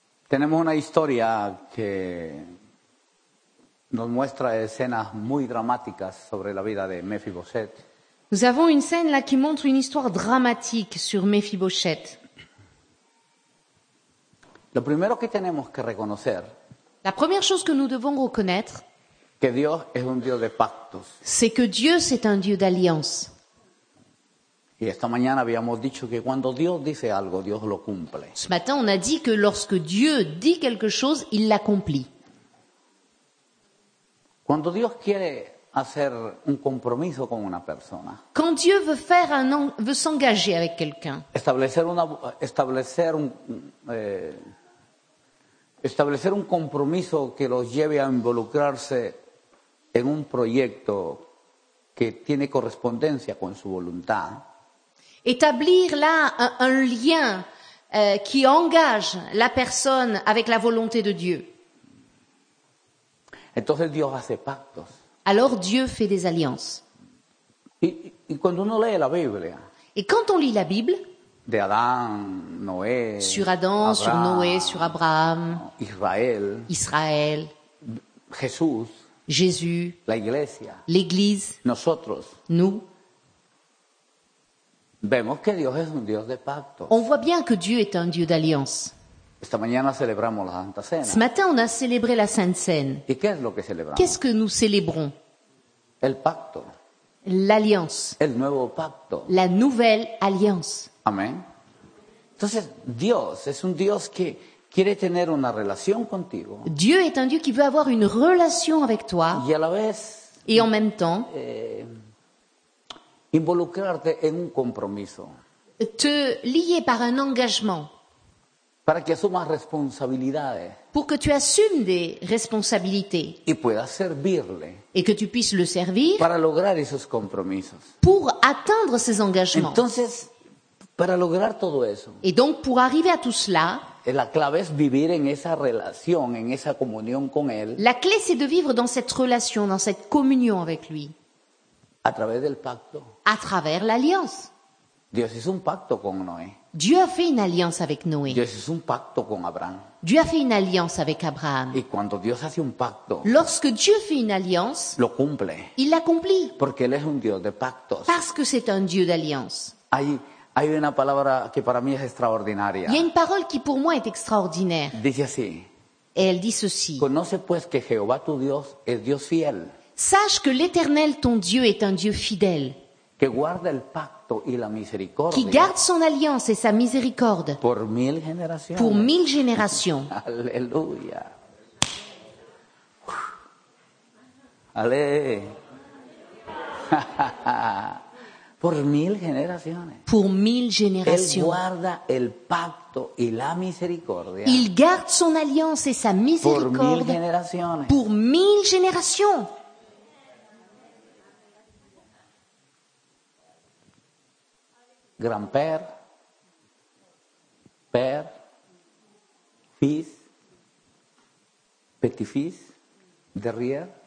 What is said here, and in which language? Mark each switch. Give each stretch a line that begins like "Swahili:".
Spanish: Tenemos una historia que nos muestra escenas muy dramáticas sobre la vida de Mephibosheth.
French: Nous avons une scène là qui montre une histoire dramatique sur Mephibosheth.
Spanish: Lo primero que tenemos que reconocer,
French: la première chose que nous devons reconnaître,
Spanish: que Dios es un Dios de pactos.
French: C'est que Dieu c'est un Dieu d'alliance.
Spanish: Y esta mañana habíamos dicho que cuando Dios dice algo, Dios lo cumple.
French: Ce matin, on a dit que lorsque Dieu dit quelque chose, il l'accomplit.
Spanish: Cuando Dios quiere hacer un compromiso con una persona.
French: Quand Dieu veut faire veut s'engager avec quelqu'un.
Spanish: Establecer un compromiso que los lleve a involucrarse en un proyecto que tiene correspondencia con su voluntad.
French: Établir là un lien qui engage la personne avec la volonté de Dieu.
Spanish: Entonces, Dios hace pactos.
French: Alors Dieu fait des alliances.
Spanish: Y cuando uno lee la Biblia,
French: et quand on lit la Bible,
Spanish: de Adam, Noé,
French: sur Adam, Abraham, sur Noé, sur Abraham, Israël, Jésus,
Spanish: la iglesia,
French: l'Église,
Spanish: nosotros,
French: nous,
Spanish: Vemos que Dios es un Dios de pacto.
French: On voit bien que Dieu est un Dieu d'alliance.
Spanish: Esta mañana celebramos la Santa Cena.
French: Ce matin, on a célébré la Sainte Cène.
Spanish: ¿Y qué es lo que celebramos?
French: Qu'est-ce que nous célébrons?
Spanish: El pacto.
French: L'alliance.
Spanish: El nuevo pacto.
French: La nouvelle alliance.
Spanish: Amén. Entonces, Dios es un Dios que quiere tener una relación contigo.
French: Dieu est un Dieu qui veut avoir une relation avec toi.
Spanish: Y a la vez,
French: et en même temps,
Spanish: involucrarte en un compromiso.
French: Te lier par un engagement.
Spanish: Para que asumas responsabilidades.
French: Pour que tu assumes des responsabilités.
Spanish: Y puedas servirle.
French: Et que tu puisses le servir.
Spanish: Para lograr esos compromisos.
French: Pour atteindre ces engagements.
Spanish: Entonces, para lograr todo eso.
French: Et donc, pour arriver à tout cela.
Spanish: La clave es vivir en esa relación, en esa comunión con él.
French: La clé, c'est de vivre dans cette relation, dans cette communion avec lui.
Spanish: A través del pacto.
French: À travers l'alliance.
Spanish: Dios hizo un pacto con Noé.
French: Dieu a fait une alliance avec Noé.
Spanish: Dios hizo un pacto con Abraham.
French: Dieu a fait une alliance avec Abraham.
Spanish: Y cuando Dios hace un pacto.
French: Lorsque Dieu fait une alliance.
Spanish: Lo cumple.
French: Il l'accomplit.
Spanish: Porque él es un Dios de pactos.
French: Parce que c'est un Dieu d'alliance.
Spanish: Hay una palabra que para mí es extraordinaria.
French: Il y a une parole qui pour moi est extraordinaire.
Spanish: Dice así.
French: Et elle dit ceci.
Spanish: Conoce pues que Jehová tu Dios es Dios fiel.
French: Sache que l'Éternel ton Dieu est un Dieu fidèle.
Spanish: Que guarda el pacto y la misericordia.
French: Qui garde son alliance et sa miséricorde.
Spanish: Por mil generaciones.
French: Pour mille générations.
Spanish: Aleluya. Ale. Por mil generaciones.
French: Pour mille générations.
Spanish: Él guarda el pacto y la misericordia.
French: Il garde son alliance et sa miséricorde.
Spanish: Por mil generaciones.
French: Pour mille générations. Gran père, père, fils, petit-fils, derrière.